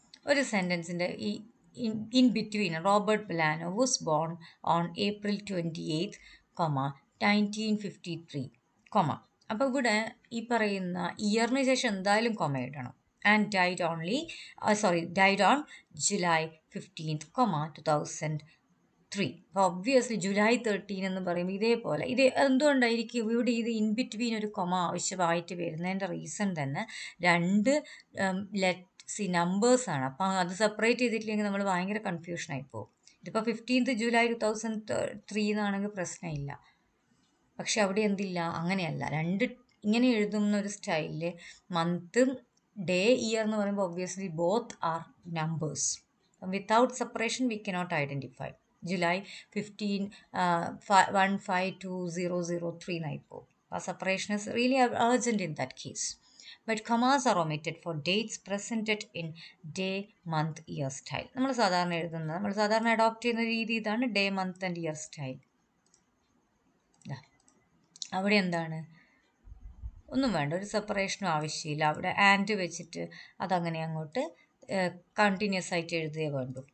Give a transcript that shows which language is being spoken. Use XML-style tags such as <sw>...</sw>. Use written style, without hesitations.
<ml>ഒരു സെൻറ്റൻസിൻ്റെ ഈ</ml> <en>in between Robert Plano was born on April 28th, 1953, comma.</en> <ml>അപ്പോൾ ഇവിടെ ഈ പറയുന്ന ഇയറിന് ശേഷം എന്തായാലും കൊമ ഇടണം.</ml> <en>And died only sorry died on July 15th, 2003.</en> <ml>അപ്പോൾ ഒബ്വിയസ്ലി ജൂലൈ 13 എന്ന് പറയുമ്പോൾ ഇതേപോലെ ഇത് എന്തുകൊണ്ടായിരിക്കും ഇവിടെ ഇത് ഇൻ ബിറ്റ്വീൻ ഒരു കൊമ ആവശ്യമായിട്ട് വരുന്നതിൻ്റെ റീസൺ തന്നെ രണ്ട് ലെറ്റ് സി നമ്പേഴ്സാണ്. അപ്പം അത് സെപ്പറേറ്റ് ചെയ്തിട്ടില്ലെങ്കിൽ നമ്മൾ ഭയങ്കര കൺഫ്യൂഷനായി പോകും. ഇതിപ്പോൾ 15th ജൂലൈ 2003 എന്നാണെങ്കിൽ പ്രശ്നമില്ല, പക്ഷെ അവിടെ എന്തില്ല, അങ്ങനെയല്ല. രണ്ട് ഇങ്ങനെ എഴുതുന്ന ഒരു സ്റ്റൈലിൽ മന്തും ഡേ ഇയർ എന്ന് പറയുമ്പോൾ ഒബ്വിയസ്ലി</ml> <en>Both are numbers.</en> <ml>അപ്പം</ml> <en>Without separation we can not identify. July 15 1 5 2 0 0 3</en> <ml>എന്നായി പോകും.</ml> <en>ആ separation is really urgent in that case. But commas are omitted for dates presented in day, month, year style.</en> <ml>നമ്മൾ സാധാരണ എഴുതുന്നത് നമ്മൾ സാധാരണ അഡോപ്റ്റ് ചെയ്യുന്ന രീതി ഇതാണ്</ml> <en>Day month and year style.</en> <ml>അവിടെ എന്താണ്, ഒന്നും വേണ്ട, ഒരു സെപ്പറേഷനും ആവശ്യമില്ല. അവിടെ ആൻഡ് വെച്ചിട്ട് അതങ്ങനെ അങ്ങോട്ട് കണ്ടിന്യൂസ് ആയിട്ട് എഴുതുകയേ വേണ്ടൂ.</ml>